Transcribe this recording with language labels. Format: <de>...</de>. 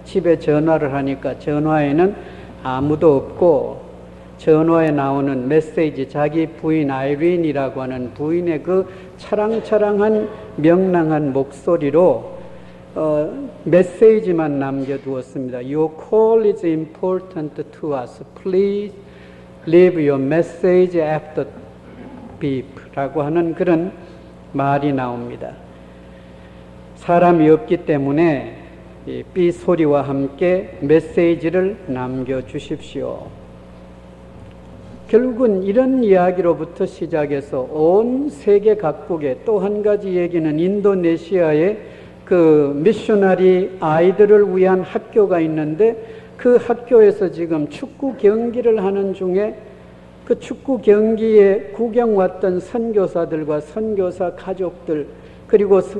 <ko>집에 전화를 하니까 전화에는 아무도 없고 전화에 나오는 메시지, 자기 부인 아이린이라고 하는 부인의 그 차랑차랑한 명랑한 목소리로 메시지만 남겨두었습니다.</ko> <en>Your call is important to us. Please leave your message after beep</en> <ko>라고 하는 그런 말이 나옵니다. 사람이 없기 때문에 이 삐 소리와 함께 메시지를 남겨주십시오. 결국은 이런 이야기로부터 시작해서 온 세계 각국에 또 한 가지 얘기는 인도네시아의 그 미셔너리 아이들을 위한 학교가 있는데 그 학교에서 지금 축구 경기를 하는 중에 그 축구 경기에 구경 왔던 선교사들과 선교사 가족들 그리고</ko>